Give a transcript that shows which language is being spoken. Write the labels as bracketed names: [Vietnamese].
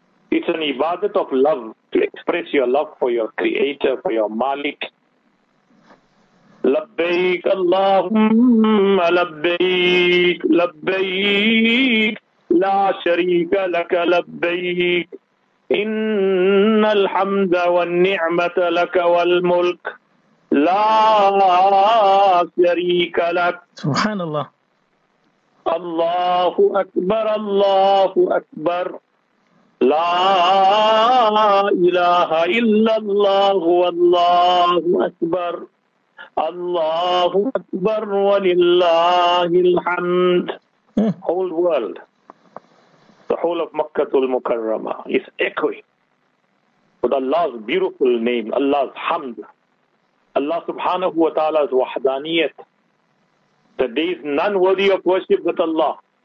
[English] It's an ibadah of love, to express your love for your creator, for your Malik. [Arabic] لبيك اللهم لبيك لبيك لا شريك لك لبيك إن الحمد والنعمة لك والملك لا شريك لك. سبحان الله. الله أكبر الله أكبر لا إله إلا الله والله أكبر الله أكبر ولله الحمد. [English] Whole world, the whole of Makkah al-Mukarramah is echoing with Allah's beautiful name, Allah's hamd, Allah subhanahu wa ta'ala's wahdaniyat, that there is none worthy of worship but Allah.